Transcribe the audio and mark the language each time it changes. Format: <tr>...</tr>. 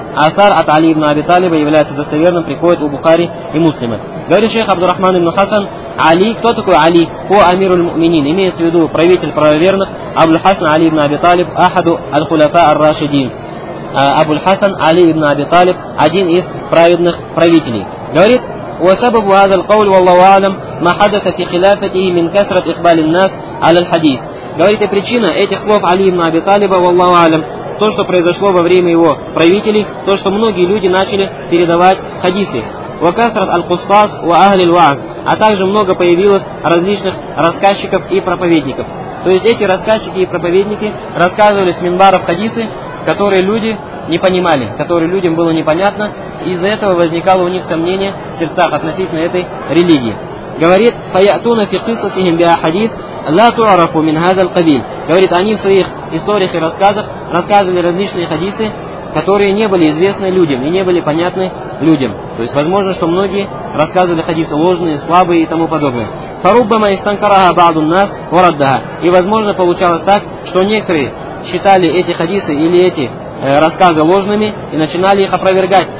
<ru>Асар от Али ибн Аби Талиба является достоверным, приходит у Бухари и Муслима. Говорит шейх Абдурахман ибн Хасан, Али, кто такой Али? О Амиру аль-Муминин, имеется в виду правитель правоверных, Абуль-Хасан Али ибн Аби Талиб,</ru> <ar>Ахаду аль-Хуляфа ар-Рашидин.</ar> <ru>Абуль-Хасан Али ибн Аби Талиб, один из праведных правителей. Говорит,</ru> <ar>وسبب هذا القول والله أعلم ما حدث في خلافته من كثرة إقبال الناس على الحديث.</ar> <ru>Говорит, и причина этих слов Али ибн Аби Талиба,</ru> <ar>والله أعلم,</ar> <ru>то, что произошло во время его правителей, то, что многие люди начали передавать хадисы.</ru> <ar>وكثرة القصاص وأهل الوعظ,</ar> <ru>а также много появилось различных рассказчиков и проповедников. То есть эти рассказчики и проповедники рассказывали с минбаров хадисы, которые люди не понимали, которые людям было непонятно, из-за этого возникало у них сомнение в сердцах относительно этой религии. Говорит,</ru> <ar>فَيَأْتُونَ فِي قِصَصِهِمْ بِأَحَدِيثِ لَا تُعْرَفُ مِنْ هَذَا الْقَبِيلِ.</ar> <ru>Говорит, они в своих историях и рассказах рассказывали различные хадисы, которые не были известны людям и не были понятны людям. То есть, возможно, что многие рассказывали хадисы ложные, слабые и тому подобное.</ru> <ar>فَرُبَّمَا إِسْتَنْكَرَهَا بَعْضُ النَّاسِ وَرَدَّهَا.</ar> <ru>И, возможно, получалось так, что некоторые считали эти хадисы или эти рассказы ложными и начинали их опровергать.</ru>